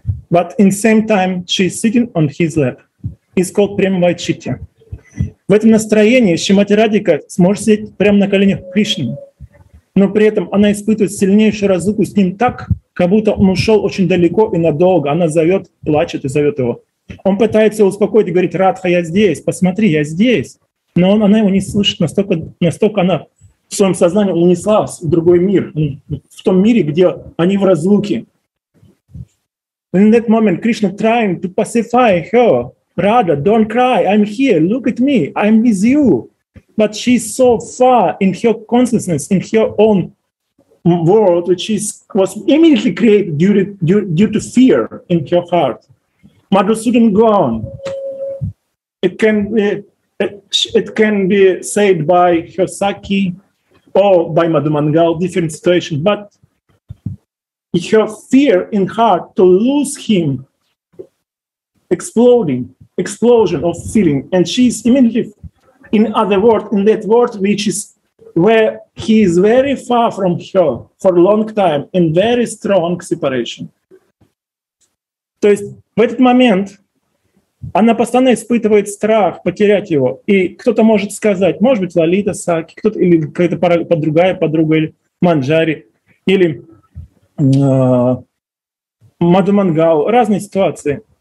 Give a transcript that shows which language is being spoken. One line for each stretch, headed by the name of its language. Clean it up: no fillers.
English: But in same time she is sitting on his lap. It's called prema vaichitya.
Russian: В этом настроении Шримати Радика сможет сидеть прямо на коленях Кришны, но при этом она испытывает сильнейшую разлуку с ним так, как будто он ушел очень далеко и надолго. Она зовет, плачет и зовет его. Он пытается его успокоить и говорит: «Радха, я здесь, посмотри, я здесь». Но она его не слышит, настолько она в своем сознании унеслась в другой мир, в том мире, где они в разлуке.
English: In that moment Krishna trying to pacify her. Radha, don't cry, I'm here, look at me, I'm with you. But she's so far in her consciousness, in her own world, which is, was immediately created due to fear in her heart. Madhusudan gone. It can be said by her Saki or by Madhumangal, different situation. But her fear in heart to lose him exploding. Explosion of feeling, and she is immediately in other world, in that world which is where he is very far from her for a long time in very strong separation.
Russian: То есть в этот момент она постоянно испытывает страх потерять его, и кто-то может сказать, может быть, Лолита Саки, кто-то или какая-то другая подруга, или Манджари, или Мадхумангал, разные ситуации.